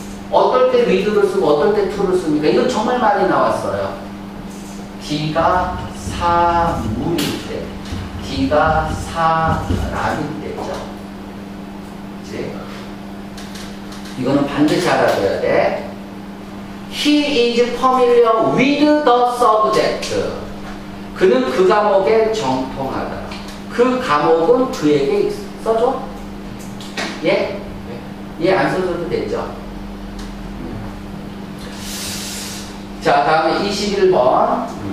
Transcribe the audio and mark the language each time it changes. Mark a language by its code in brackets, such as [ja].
[ko] 어떨 때 위드를 쓰고 어떨 때 투를 씁니까? 이거 정말 많이 나왔어요. 디가 사물일 때, 디가 사람일 때죠. 이거는 반드시 알아둬야 돼. [en] He is familiar with the subject. [ko] 그는 그 과목에 정통하다. 그 과목은 그에게 써줘? 예? 예, 안 써줘도 되죠? 자, 다음에 21번.